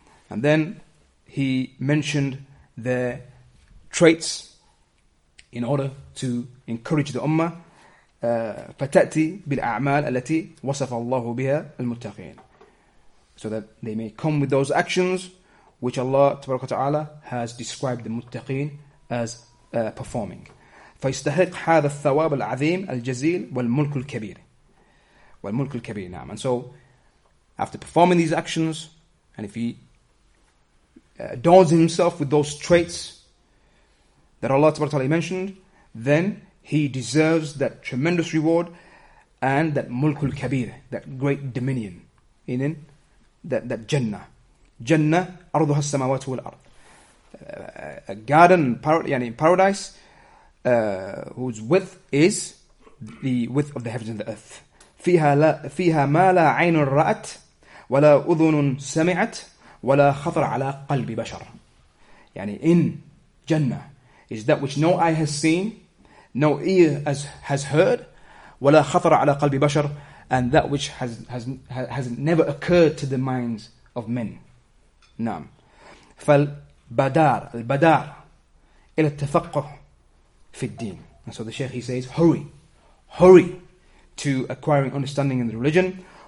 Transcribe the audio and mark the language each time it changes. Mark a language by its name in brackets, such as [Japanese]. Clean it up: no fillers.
[English] And then he mentioned their traits in order to encourage the ummah. [Arabic] فَتَأْتِي بِالْأَعْمَالِ الَّتِي وَصَفَ اللَّهُ بِهَا الْمُتَّقِينَ. [English] So that they may come with those actions which Allah Ta'ala has described the muttaqeen as performing. [Arabic] فيستحق هذا الثواب العظيم الجزيل والملك الكبير. والملك الكبير, نعم. [English] And so, after performing these actions, and if he adorns himself with those traits that Allah Ta'ala mentioned, then he deserves that tremendous reward and that [Arabic] ملك الكبير, [English] that great dominion, in that Jannah. [Arabic] Jannah, أرضها السماوات والأرض. [English] A garden, يعني in paradise, whose width is the width of the heavens and the earth. [Arabic] فيها ما لا عين رأت ولا أذن سمعت ولا خطر على قلب بشر. [English] يعني in Jannah is that which no eye has seen, no ear has heard, [Arabic] ولا خطر على قلب بشر, [English] and that which has never occurred to the minds of men. [Arabic] نعم. فالبدار, البدار إلى التفقه في الدين. [English] And so the Shaykh, he says, hurry, hurry to acquiring understanding in the religion.